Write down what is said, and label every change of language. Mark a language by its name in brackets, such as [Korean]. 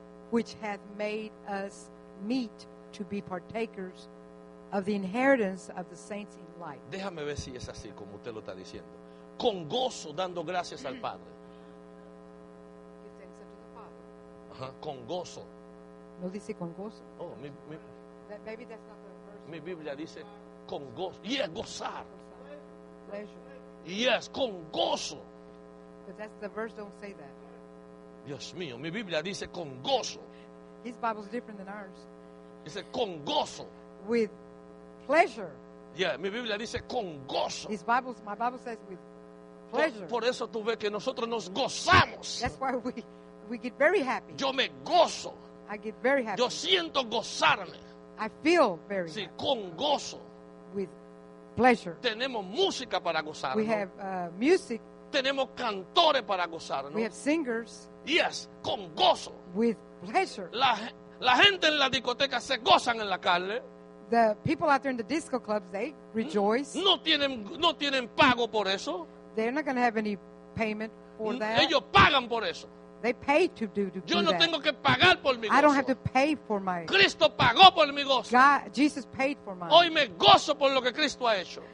[English] Which hath made us meet to be partakers of the inheritance of the saints in light. [Spanish] Déjame ver si es así como usted lo está diciendo. Con gozo dando gracias al Padre. [English] Give thanks unto the Father. [Spanish] Con gozo. No dice con gozo. Oh, mi. [English] Maybe that's not the verse. [Spanish] Mi Biblia dice con gozo. [English] Yes, [Spanish] gozar. [English] Pleasure. Yes, [Spanish] con gozo. [English] But that's the verse don't say that. [Spanish] Dios mío, mi Biblia dice con gozo. [English] His Bible's different than ours. [Spanish] Dice con gozo. [English] With pleasure. Yeah, [Spanish] mi Biblia dice con gozo. [English] His Bible, my Bible says with pleasure. [Spanish] Por eso tú ves que nosotros nos gozamos. [English] That's why we get very happy. [Spanish] Yo me gozo. [English] I get very happy. [Spanish] Yo siento gozarme. [English] I feel very [Spanish] sí, con gozo. [English] With pleasure. [Spanish] Tenemos música para gozar. [English] We have music. [Spanish] Tenemos cantores para gozar. [English] We have singers. Yes, [Spanish] con gozo. [English] With pleasure. [Spanish] La gente en la discoteca se gozan en la carne. [English] The people out there in the disco clubs, they rejoice. [Spanish] No tienen pago por eso. [English] They're not going to have any payment for that. [Spanish] Ellos pagan por eso. [English] They pay to do that. [Spanish] Yo no tengo que pagar por mi gozo. [English] I don't have to pay for my. [Spanish] Cristo pagó por mi gozo. [English] God, Jesus paid for my. [Spanish] Hoy me gozo por lo que Cristo ha hecho.